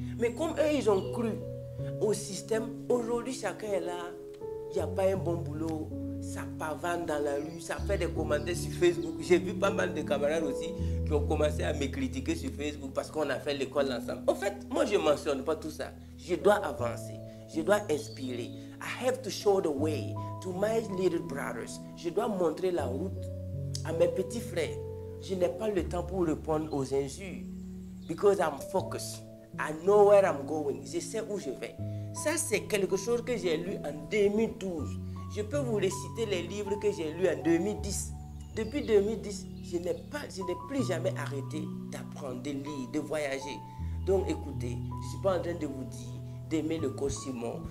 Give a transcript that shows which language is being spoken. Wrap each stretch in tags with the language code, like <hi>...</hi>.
<fr>Mais comme eux, ils ont cru au système, aujourd'hui, chacun est là. Il n'y a pas un bon boulot. Ça pavane dans la rue. Ça fait des commentaires sur Facebook. J'ai vu pas mal de camarades aussi qui ont commencé à me critiquer sur Facebook parce qu'on a fait l'école ensemble. En fait, moi, je ne mentionne pas tout ça. Je dois avancer. Je dois inspirer.</fr> <en>I have to show the way to my little brothers.</en> <fr>Je dois montrer la route à mes petits frères. Je n'ai pas le temps pour répondre aux injures.</fr> <en>Because I'm focused. I know where I'm going.</en> <fr>Je sais où je vais. Ça, c'est quelque chose que j'ai lu en 2012. Je peux vous réciter les livres que j'ai lus en 2010. Depuis 2010, je n'ai plus jamais arrêté d'apprendre, de lire, de voyager. Donc écoutez, je ne suis pas en train de vous dire d'aimer le coach Simon.</fr>